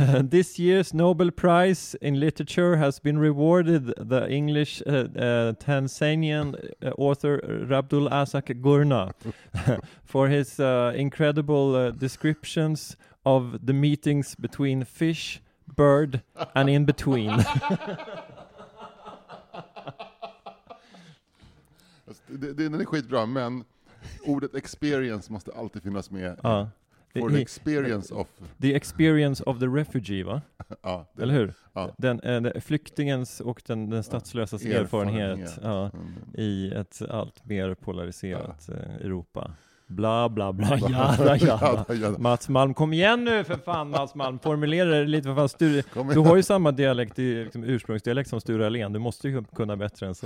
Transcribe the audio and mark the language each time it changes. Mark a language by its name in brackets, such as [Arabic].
[English] This year's Nobel Prize in Literature has been rewarded the English Tanzanian author Abdul Razak Gurna for his incredible descriptions of the meetings between fish, bird and in between. [Swedish] Den är skitbra, men ordet experience måste alltid finnas med. [English] For the experience of... The experience of the refugee, va? [Swedish] Ja. Det, eller hur? Ja. Flyktingens och den statslösas erfarenhet. Ja, i ett allt mer polariserat Europa. Bla, bla, bla, jada, jada. Mats Malm, kom igen nu för fan, Mats Malm. Formulera det lite. Du har ju samma dialekt, liksom ursprungsdialekt som Sture Alén. Du måste ju kunna bättre än så.